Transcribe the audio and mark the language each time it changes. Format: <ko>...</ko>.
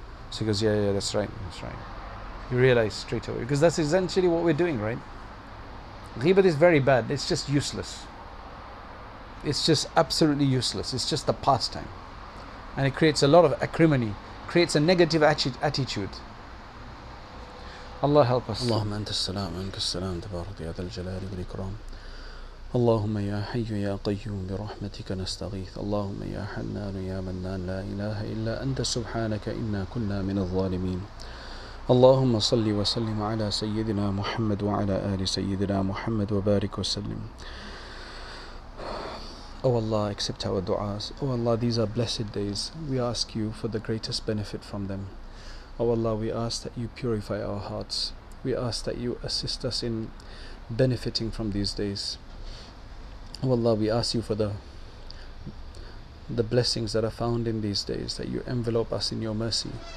<en>So he goes, yeah, that's right, that's right. You realize straight away, because that's essentially what we're doing, right? Ghibat is very bad, it's just useless. It's just absolutely useless, it's just a pastime. And it creates a lot of acrimony, creates a negative attitude. الله help us.</en> <ar>اللهم أنت السلام منك السلام تبارك يا ذا الجلال والإكرام. اللهم يا حي يا قيوم برحمتك نستغيث. اللهم يا حنان يا منان، لا إله إلا أنت سبحانك إنا كنا من الظالمين. اللهم صل وسلم على سيدنا محمد وعلى آل سيدنا محمد وبارك وسلم.</ar> <en>Oh Allah, accept our du'as. Oh Allah, these are blessed days. We ask you for the greatest benefit from them. Oh Allah, we ask that you purify our hearts. We ask that you assist us in benefiting from these days. Oh Allah, we ask you for the blessings that are found in these days, that you envelop us in your mercy.</en>